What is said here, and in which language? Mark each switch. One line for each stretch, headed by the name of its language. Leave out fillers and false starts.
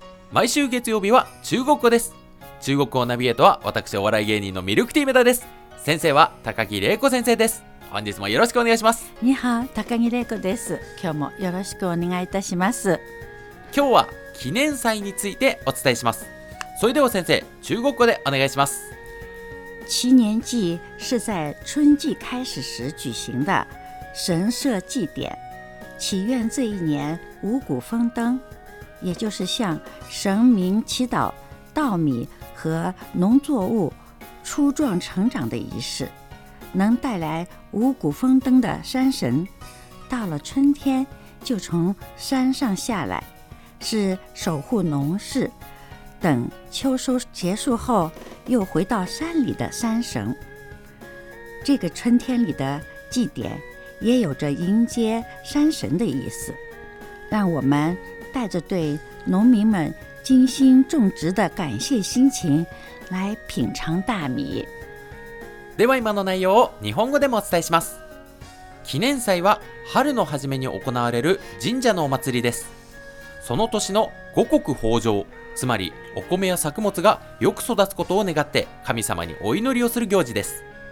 Japanese: 毎週月曜日は中国語です。中国語ナビゲートは私お笑い芸人のミルクティー梅田です。先生は高木玲子先生です。本日もよろしくお願いします。ニハ、高木玲子です。今日もよろしくお願いいたします。今日は記念祭についてお伝えします。それでは先生、中国語でお願いします。
Chinese: 七年祭是在春季开始时举行的神社祭典，祈愿这一年五谷丰登，也就是向神明祈祷稻米和农作物初壮成长的仪式，能带来五谷丰登的山神到了春天就从山上下来，是守护农事，等秋收结束后又回到山里的山神。这个春天里的祭典也有着迎接山神的意思，让我们带着对农民们精心种植的感谢心情来品尝大米。
Japanese: では今の内容を日本語でもお伝えします。記念祭は春の初めに行われる神社のお祭りです。その年の五穀豊穣、つまりお米や作物がよく育つことを願って神様にお祈りをする行事です。